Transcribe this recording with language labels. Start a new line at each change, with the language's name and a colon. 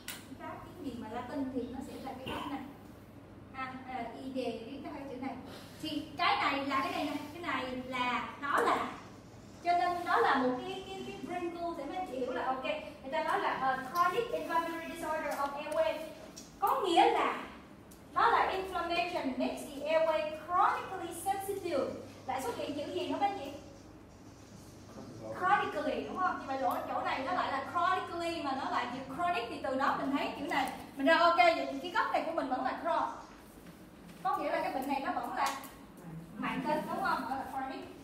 Vietnamese: Tiếng Pháp tiếng gì mà Latin thì nó sẽ là cái đó này. Idée viết tắt cái chữ này. Thì cái này là cái này nè, cái này là nó là. Cho nên nó là một cái wrinkle để mình hiểu là ok. Người ta nói là
English: chronic inflammatory disorder of airway,
Vietnamese: có nghĩa là nó là inflammation
English: condition makes the airway chronically sensitive.
Vietnamese: Lại xuất hiện chữ gì không anh chị? Chronically, đúng không? Nhưng mà lỗi chỗ này nó lại là chronically, mà nó lại chữ chronic thì từ đó mình thấy chữ này mình ra ok, vậy cái gốc này của mình vẫn là chronic. Có nghĩa là cái bệnh này nó vẫn là mạng tính, đúng không? Vẫn là chronic.